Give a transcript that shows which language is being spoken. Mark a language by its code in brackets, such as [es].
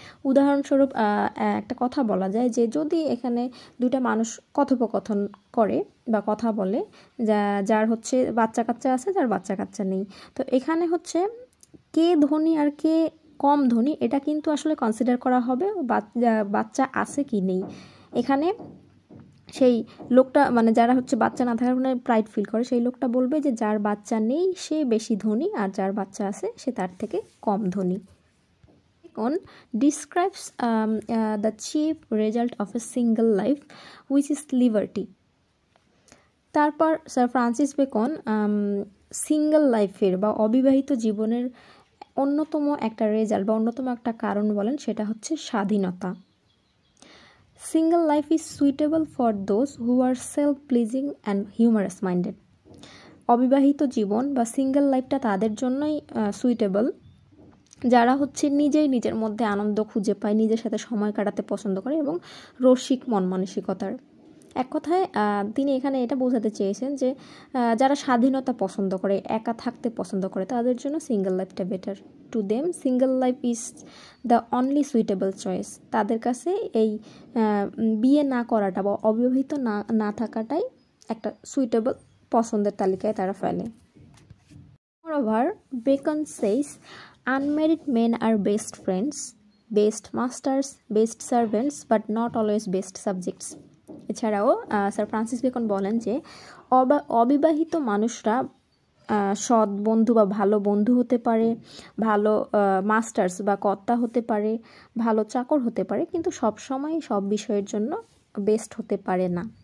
[bn] উদাহরণস্বরূপ একটা কথা বলা যায় যে যদি এখানে দুটা মানুষ কথোপকথন করে বা কথা বলে, যার হচ্ছে বাচ্চা কাচ্চা আছে, যার বাচ্চা কাচ্চা নেই, তো এখানে হচ্ছে কে ধনী আর কে কম ধনী এটা কিন্তু আসলে কনসিডার করা হবে, বাচ্চা আছে কি নেই। এখানে সেই লোকটা, মানে যারা হচ্ছে বাচ্চা না থাকার কারণে প্রাইড ফিল করে, সেই লোকটা বলবে যে যার বাচ্চা নেই সে বেশি ধনী আর যার বাচ্চা আছে সে তার থেকে কম ধনী। [en] On describes the chief result of a single life, which is liberty. [bn] তারপর স্যার ফ্রান্সিস বেকন সিঙ্গল লাইফের বা অবিবাহিত জীবনের অন্যতম একটা রেজাল্ট বা অন্যতম একটা কারণ বলেন, সেটা হচ্ছে স্বাধীনতা। [en] Single life is suitable for those who are self pleasing and humorous minded. [bn] অবিবাহিত জীবন বা সিঙ্গল লাইফটা তাদের জন্যই সুইটেবল যারা হচ্ছে নিজেই নিজের মধ্যে আনন্দ খুঁজে পায়, নিজের সাথে সময় কাটাতে পছন্দ করে এবং রসিক মন মানসিকতার। এক কথায় তিনি এখানে এটা বোঝাতে চেয়েছেন যে যারা স্বাধীনতা পছন্দ করে, একা থাকতে পছন্দ করে, তাদের জন্য সিঙ্গেল লাইফটা better. [en] to them single life is the only suitable choice, [bn] তাদের কাছে এই বিয়ে না করাটা বা অবিবাহিত না থাকাটাই একটা সুইটেবল পছন্দের তালিকায় তারা ফেলে। [en] Moreover Bacon says Unmarried men are best friends, best masters, best servants, but not always best subjects. [bn] এছাড়াও স্যার ফ্রান্সিস বেকন বলেন যে অবিবাহিত মানুষরা সৎ বন্ধু বা ভালো বন্ধু হতে পারে, ভালো মাস্টার্স বা কর্তা হতে পারে, ভালো চাকর হতে পারে, কিন্তু সবসময় সব বিষয়ের জন্য বেস্ট হতে পারে না।